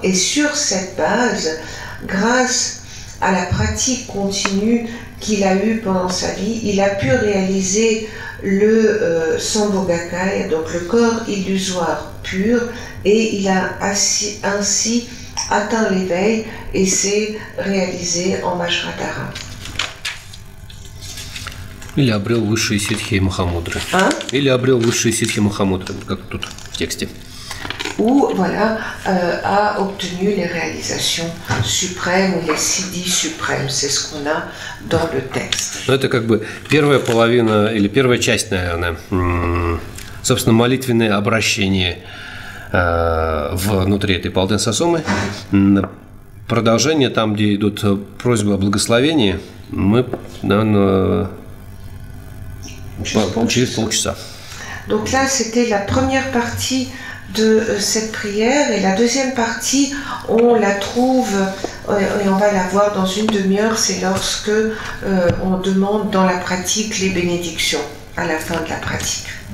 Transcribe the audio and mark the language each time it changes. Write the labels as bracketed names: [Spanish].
[French] Et sur cette base, grâce à la pratique continue qu'il a eue pendant sa vie, il a pu réaliser le Sambhogakaya, donc le corps illusoire pur, et il a ainsi atteint l'éveil et s'est réalisé en Vajradhara. [Russian] Или обрел высшие ситхи и махамудры. А? Или обрел высшие ситхи и махамудры, как тут в тексте. [French] Ou voilà, a obtenu les réalisations suprêmes, les сиди suprêmes, c'est ce qu'on a dans le texte. [Russian] Ну, это как бы первая половина или первая часть, наверное, собственно, молитвенное обращение внутри этой Палден Сосомы. Продолжение там, где идут просьбы о благословении, мы, наверное, через полчаса. [French] Donc là, c'était la première partie de cette prière, et la deuxième partie, on la trouve et on va la voir dans une demi-heure. C'est lorsque on demande dans la pratique les bénédictions à la fin de la pratique.